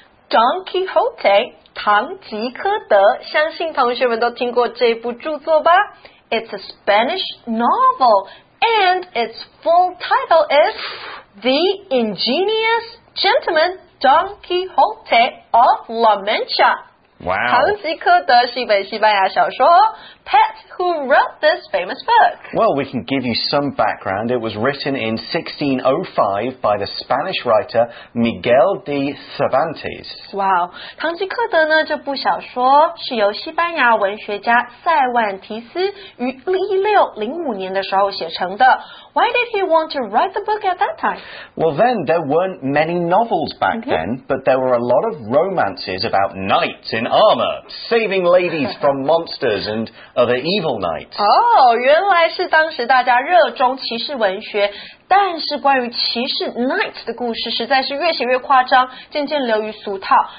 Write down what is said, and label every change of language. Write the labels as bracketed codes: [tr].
[zh] Don Quixote, 唐吉诃德，相信同学们都听过这部著作吧？ [en] It's a Spanish novel, and its full title is The Ingenious Gentleman Don Quixote of La Mancha. Wow. [zh] 唐吉诃德是一本西班牙小说。 [en] Pat, who wrote this famous book? Well, we can give you some background. It was written in 1605 by the Spanish writer Miguel de Cervantes. Wow. [zh] 唐吉诃德呢，这部小说是由西班牙文学家塞万提斯于1605年的时候写成的。 [en] Why did he want to write the book at that time? Well, then, there weren't many novels back、mm-hmm. then, but there were a lot of romances about knights in armor, saving ladies from monsters and other evil knights. [zh] Oh, 原来是当时大家热衷骑士文学，但是关于骑士 knights 的故事实在是越写越夸张，渐渐流于俗套。